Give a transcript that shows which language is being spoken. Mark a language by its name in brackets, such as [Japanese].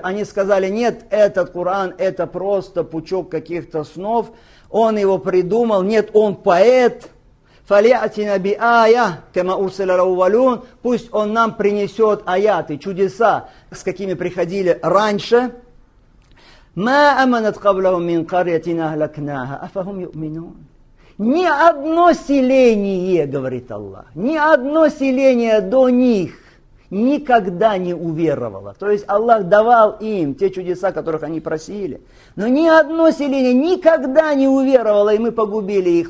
[Russian] Они сказали, нет, этот Коран, это просто пучок каких-то снов. Он его придумал. Нет, он поэт. [Arabic] Фалиатина би ая, кема урсила раувалюн. [Russian] Пусть он нам принесет аяты, чудеса, с какими приходили раньше. [Arabic] ما أمنت قبلهم من قرية أهلكناها أفهم يؤمنون. [Russian] Ни одно селение, говорит Аллах, ни одно селение до них никогда не уверовало. То есть Аллах давал им те чудеса, которых они просили. Но ни одно селение никогда не уверовало, и мы погубили их.